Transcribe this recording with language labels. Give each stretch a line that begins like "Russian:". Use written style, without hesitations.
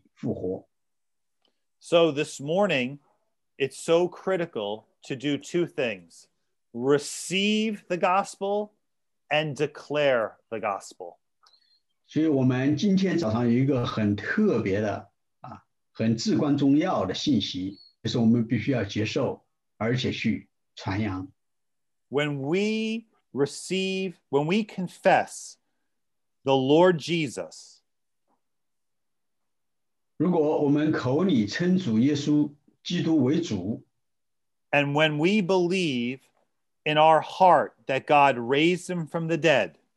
Chinese: 就是神他自己进入到我们的历史中，他来拯救所有的相信他的人，那些人相信他所做的一切，相信他在十字架上为我们死，而且相信他从坟墓里头死里复活。
English: So this morning, it's so critical to do two things: receive the gospel and declare the gospel.
Chinese: 所以我们今天早上有一个很特别的，很至关重要的信息，就是我们必须要接受，而且去传扬。
English: When we receive, when we confess the Lord Jesus,
Chinese: 如果我们口里称主耶稣基督为主,
English: and when we believe in our heart that God raised him from the dead,